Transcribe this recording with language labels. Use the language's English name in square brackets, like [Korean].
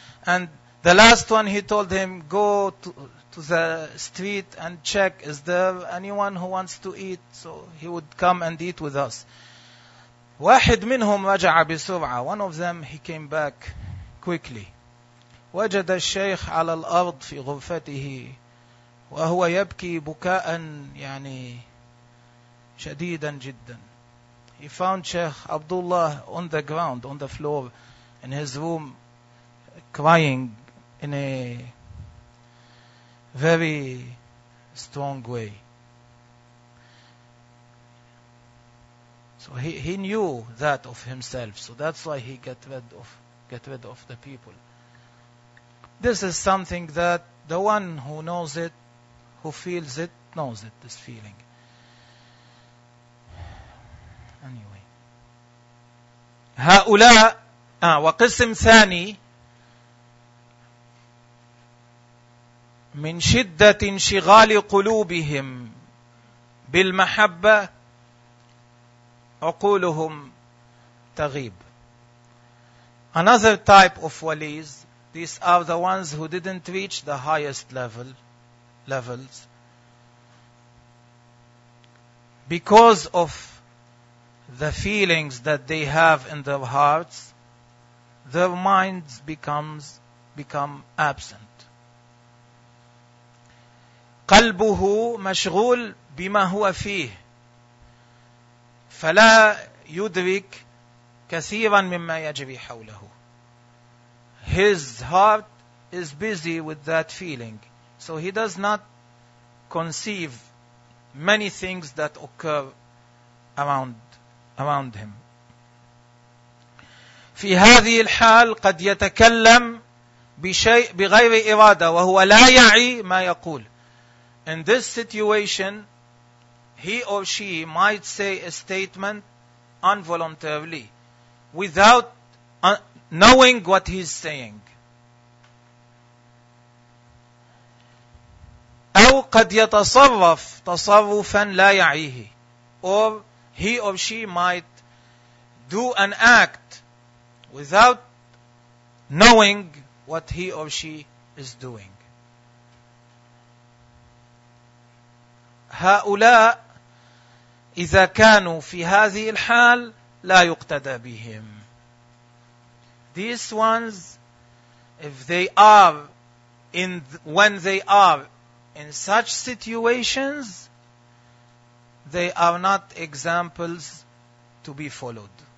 [English] And the last one he told him, go to the street and check, is there anyone who wants to eat? So he would come and eat with us. [Arabic] واحد منهم رجع بسرعة. [English] One of them, he came back quickly. [Arabic] وجد الشيخ على الأرض في غرفته وهو يبكي بكاء يعني شديدا جدا. [English] He found Sheikh Abdullah on the ground, on the floor, in his room, crying in a very strong way. So he knew that of himself. So that's why he got rid of the people. This is something that the one who knows it, who feels it, knows it, this feeling. Anyway. [Arabic] هؤلاء وقسم ثاني من شدة انشغال قلوبهم بالمحبة عقولهم تغيب. [English] Another type of walis, these are the ones who didn't reach the highest levels. Because of the feelings that they have in their hearts, their minds become absent. [Arabic] قلبه مشغول بما هو فيه فلا يدرك كثيرا مما يجري حوله. [English] His heart is busy with that feeling. So he does not conceive many things that occur around him. [Arabic] في هذه الحال قد يتكلم بشيء بغير إرادة وهو لا يعي ما يقول. [English] In this situation, he or she might say a statement involuntarily, without knowing what he's saying. [Arabic] أو قد يتصرف تصرفا لا يعيه. [English] Or he or she might do an act without knowing what he or she is doing. [Arabic] هؤلاء إذا كانوا في هذه الحال لا يقتدى بهم. [English] These ones, if they are in when they are in such situations, they are not examples to be followed.